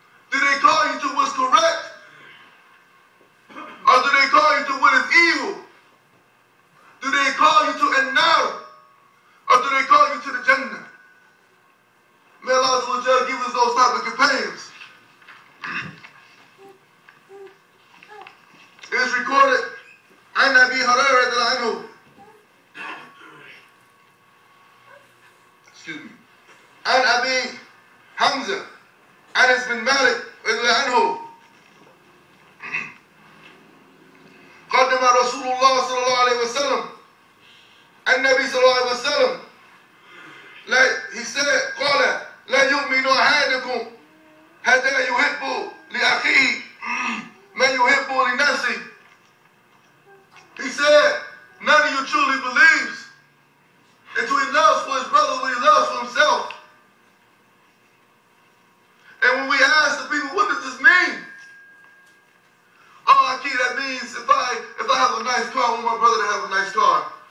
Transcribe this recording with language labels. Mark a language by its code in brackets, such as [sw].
[en] Do they call you to what's correct? Or do they call you to what is evil? Do they call you to an-nar? Or do they call you to the Jannah? May Allah SWT give us those type of companions. It is recorded, [ar] عن أبي هريرة رضي الله عنه. [en] Excuse me. [ar] عن أبي حمزة. عن ابن مالك رضي الله عنه. قدم رسول الله صلى الله عليه وسلم. النبي صلى الله عليه وسلم. لا, [en] he said, [ar] قال, لا يؤمن أحدكم حتى يحب لأخيه ما يحب لنفسه. [en] He said, none of you truly believes until he loves for his brother what he loves for himself. And when we ask the people, what does this mean? Oh, Aki, that means if I have a nice car, I want my brother to have a nice car.